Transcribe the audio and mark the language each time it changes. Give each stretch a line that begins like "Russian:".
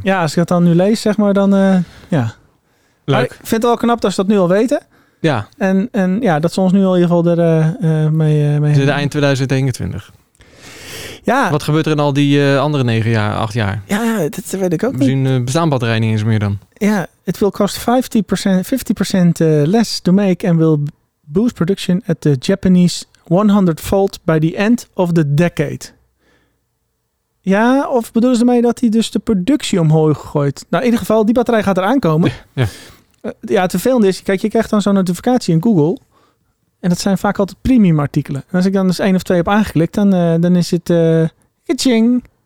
Dutch: Ja, als ik dat dan nu lees, zeg maar, dan... Leuk. Maar ik vind het wel knap dat ze dat nu al weten. Ja. En ja, dat ze ons nu al in ieder geval mee hebben. Het eind 2021. Ja. Wat gebeurt er in al die andere 9 jaar, 8 jaar? Ja, dat weet ik ook misschien niet. Misschien bestaan batterijen niet eens meer dan.
English: Ja, it will cost 50% less to make and will boost production at the Japanese 100 volt by the end of the decade.
Dutch: Ja, of bedoelen ze mee dat hij dus de productie omhoog gooit? Nou, in ieder geval, die batterij gaat eraan komen. Ja, het vervelende is, kijk, je krijgt dan zo'n notificatie in Google. En dat zijn vaak altijd premium artikelen. En als ik dan eens 1 of 2 heb aangeklikt, dan is het... Ka-ching.